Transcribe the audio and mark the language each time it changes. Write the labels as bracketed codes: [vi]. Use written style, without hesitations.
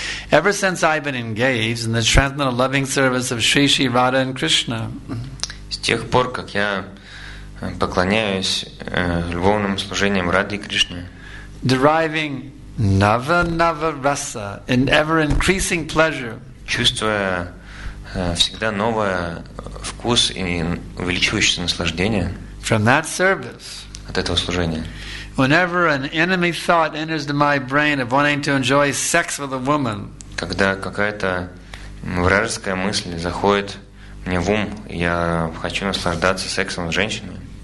[en] Ever since I've been engaged in the transcendental loving service of Sri Sri Radha and Krishna, [ru] с тех пор, как я поклоняюсь любовным служениям Радхи Кришне, [en] deriving Nava Nava Rasa in ever increasing pleasure. [ru] Чувствуя всегда новое вкус и увеличивающееся наслаждение. [en] From that service. [ru] От этого служения. [en] Whenever an enemy thought enters into my brain of wanting to enjoy sex with a woman. [ru] Когда какая-то вражеская мысль заходит мне в ум, я хочу наслаждаться сексом с женщиной.